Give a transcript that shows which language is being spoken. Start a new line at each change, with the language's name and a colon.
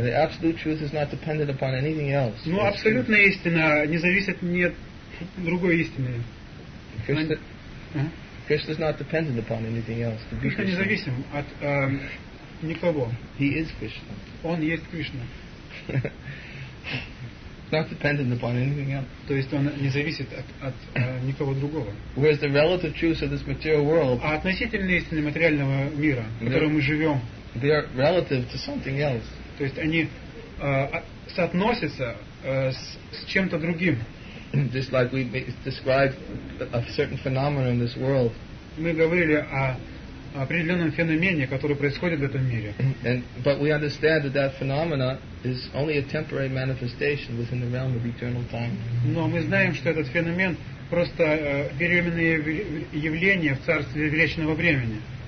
English: The absolute truth is not dependent upon anything else.
Russian: Но абсолютная истина не зависит ни от другой истины.
English: Krishna is not dependent upon anything else.
Russian: Krishna независим от никого.
English: He is Krishna.
Russian: Он есть Кришна.
English: Not dependent upon anything else.
Russian: То есть он не зависит от никого другого.
English: Whereas the relative truths of this material world.
Russian: А относительные истины материального мира, в котором мы живем.
English: They are relative to something else.
Russian: То есть они соотносятся с чем-то другим.
English: Just like we describe a certain phenomenon in this world.
Russian: Мы говорили о определенном феномене, который происходит в этом мире.
English: But we understand that that phenomena is only a temporary manifestation within the realm of eternal time.
Russian: Но мы знаем, что этот феномен просто временное явление в царстве вечного времени.